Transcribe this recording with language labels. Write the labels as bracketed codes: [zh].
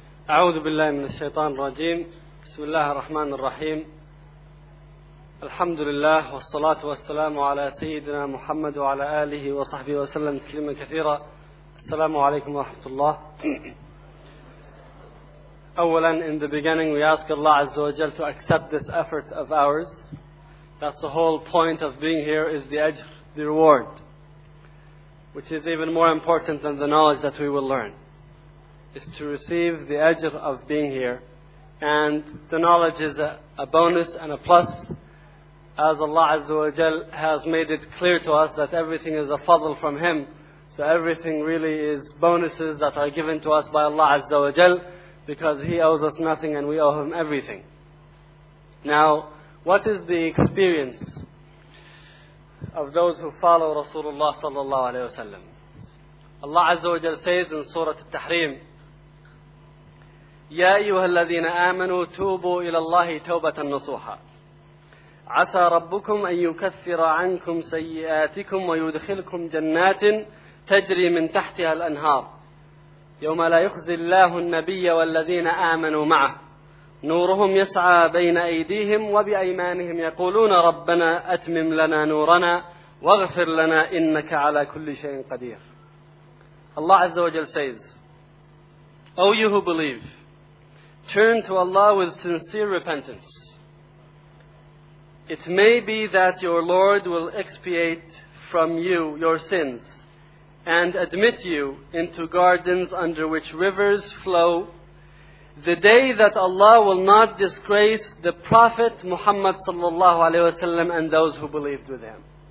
[ar] أعوذ بالله من الشيطان الرجيم بسم الله الرحمن الرحيم الحمد لله والصلاة والسلام على سيدنا محمد وعلى آله وصحبه وسلم تسليما كثيرا السلام عليكم ورحمة الله أولا [en] in the beginning we ask Allah Azza wa Jal to accept this effort of ours. That's the whole point of being here, is the ajr, the reward, which is even more important than the knowledge that we will learn, is to receive the ajr of being here. And the knowledge is a bonus and a plus, as Allah Azza wa Jal has made it clear to us that everything is a fadl from Him. So everything really is bonuses that are given to us by Allah Azza wa Jal, because He owes us nothing and we owe Him everything. Now, what is the experience of those who follow Rasulullah sallallahu alayhi wa sallam? Allah Azza wa Jal says in Surah Al-Tahrim, [ar] يَا أَيُّهَا الَّذِينَ آمَنُوا تُوبُوا إِلَى اللَّهِ تَوْبَةً نَصُوحًا عَسَى رَبُّكُمْ أَنْ يُكَفِّرَ عَنْكُمْ سَيِّئَاتِكُمْ وَيُدْخِلْكُمْ جَنَّاتٍ تَجْرِي مِنْ تَحْتِهَا الْأَنْهَارِ يَوْمَ لَا يُخْزِي اللَّهُ النَّبِيَّ وَالَّذِينَ آمَنُوا مَعَهُ نُورُهُمْ يَسْعَى بَيْنَ أَيْدِيهِمْ وَبِأَيْمَانِهِمْ يَقُولُونَ رَبَّنَا أَتْمِمْ لَنَا نُورَنَا وَاغْفِرْ لَنَا إِنَّكَ عَلَى كُلِّ شَيْءٍ قَدِيرٌ الله عز وجل [en] says, O you who believe, turn to Allah with sincere repentance. It may be that your Lord will expiate from you your sins and admit you into gardens under which rivers flow, the day that Allah will not disgrace the Prophet Muhammad sallallahu alaihi wasallam and those who believed with him.